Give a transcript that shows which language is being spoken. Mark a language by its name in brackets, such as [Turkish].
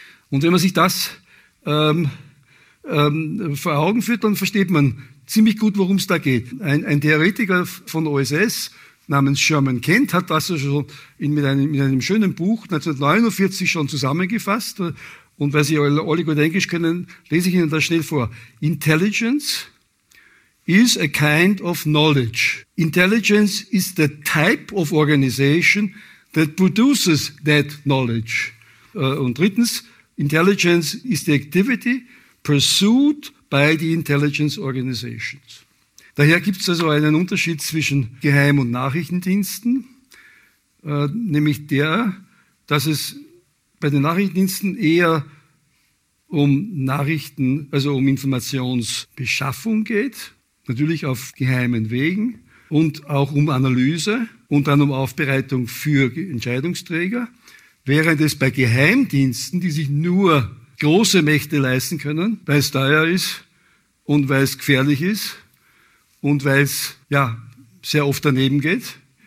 [German] Und wenn man sich das vor Augen führt, dann versteht man ziemlich gut, worum es da geht. Ein Theoretiker von OSS namens Sherman Kent hat das schon mit einem schönen Buch 1949 schon zusammengefasst. Und weil Sie alle gut Englisch können, lese ich Ihnen das schnell vor. [English] Intelligence is a kind of knowledge. Intelligence is the type of organization that produces that knowledge. [German] Und drittens, [English] intelligence is the activity pursued by the intelligence organizations. [German] Daher gibt es also einen Unterschied zwischen Geheim- und Nachrichtendiensten, nämlich der, dass es bei den Nachrichtendiensten eher um Nachrichten, also um Informationsbeschaffung geht, natürlich auf geheimen Wegen und auch um Analyse und dann um Aufbereitung für Entscheidungsträger, während es bei Geheimdiensten, die sich nur große Mächte leisten können, weil es teuer ist und weil es gefährlich ist, und weil es ja sehr oft daneben geht.